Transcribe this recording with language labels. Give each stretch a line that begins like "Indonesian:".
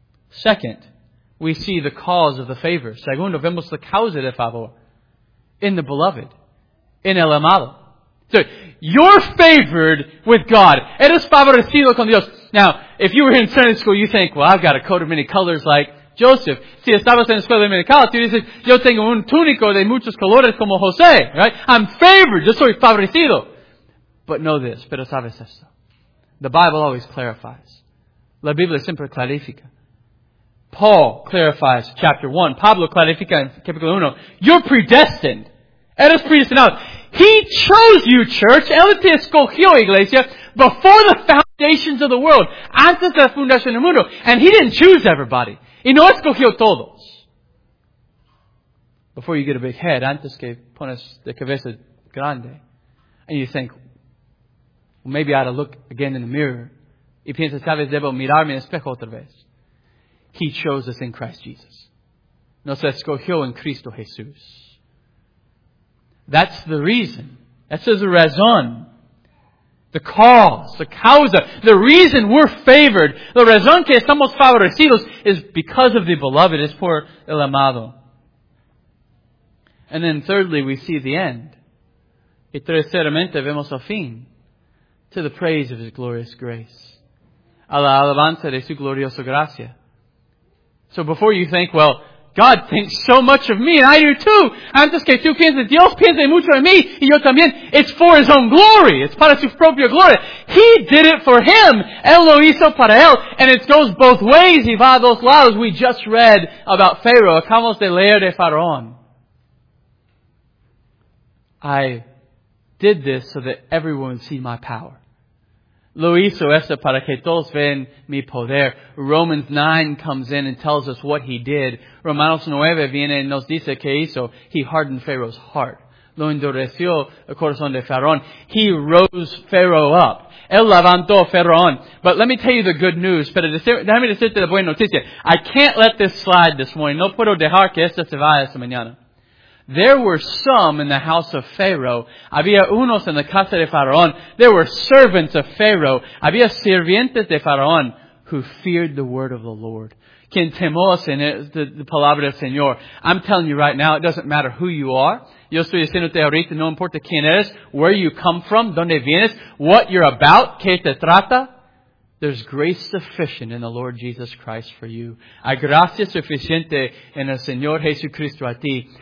English: Second, we see the cause of the favor.
Spanish: Segundo, vemos la causa del favor.
English: In the beloved.
Spanish: In el amado.
English: So, you're favored with God.
Spanish: Eres favorecido con Dios.
English: Now, if you were in Sunday school, you think, well, I've got a coat of many colors like Joseph.
Spanish: Si estabas en la escuela dominical, tú dices, yo tengo un túnico de muchos colores como José.
English: Right? I'm favored.
Spanish: Yo soy favorecido.
English: But know this.
Spanish: Pero sabes esto.
English: The Bible always clarifies.
Spanish: La Biblia siempre clarifica.
English: Paul clarifies chapter 1.
Spanish: Pablo clarifica en capítulo 1.
English: You're predestined.
Spanish: Eres predestinado.
English: He chose you, church.
Spanish: Él te escogió, iglesia,
English: before the foundations of the world.
Spanish: Antes de la fundación del mundo.
English: And He didn't choose everybody.
Spanish: Y no escogió todos.
English: Before you get a big head,
Spanish: antes que pones de cabeza grande.
English: And you think, well, maybe I ought to look again in the mirror.
Spanish: Y piensas, tal vez debo mirarme en el espejo otra vez.
English: He chose us in Christ Jesus.
Spanish: Nos escogió en Cristo Jesús.
English: That's the reason. That's the raison. The cause. The causa. The reason we're favored. The raison
Spanish: que estamos favorecidos
English: is because of the beloved. It's
Spanish: por el amado.
English: And then thirdly, we see the end.
Spanish: Y terceramente vemos el fin.
English: To the praise of His glorious grace.
Spanish: A la alabanza de su gloriosa gracia.
English: So before you think, well, God thinks so much of me, and I do too.
Spanish: Antes que tú pienses, Dios piensa mucho en mí, y yo también.
English: It's for His own glory. It's
Spanish: para su propia gloria.
English: He did it for Him.
Spanish: Él lo hizo para Él.
English: And it goes both ways.
Spanish: Y va a dos lados.
English: We just read about Pharaoh.
Spanish: Acabamos de leer de Faraón.
English: I did this so that everyone would see my power.
Spanish: Lo hizo esto para que todos vean mi poder.
English: Romans 9 comes in and tells us what he did.
Spanish: Romanos 9 viene y nos dice que hizo.
English: He hardened Pharaoh's heart.
Spanish: Lo endureció el corazón de Faraón.
English: He rose Pharaoh up.
Spanish: Él levantó Faraón.
English: But let me tell you the good news.
Spanish: Pero déjame decirte la buena noticia.
English: I can't let this slide this morning.
Spanish: No puedo dejar que esto se vaya esta mañana.
English: There were some in the house of Pharaoh.
Spanish: Había unos en la casa de Faraón.
English: There were servants of Pharaoh.
Spanish: Había sirvientes de Faraón
English: who feared the word of the Lord.
Spanish: Quien temó la palabra del Señor.
English: I'm telling you right now, it doesn't matter who you are.
Spanish: Yo estoy diciéndote ahorita, no importa quién eres,
English: where you come from,
Spanish: dónde vienes,
English: what you're about,
Spanish: qué te trata.
English: There's grace sufficient in the Lord Jesus Christ for you.
Spanish: Hay gracia suficiente en el Señor Jesucristo a ti.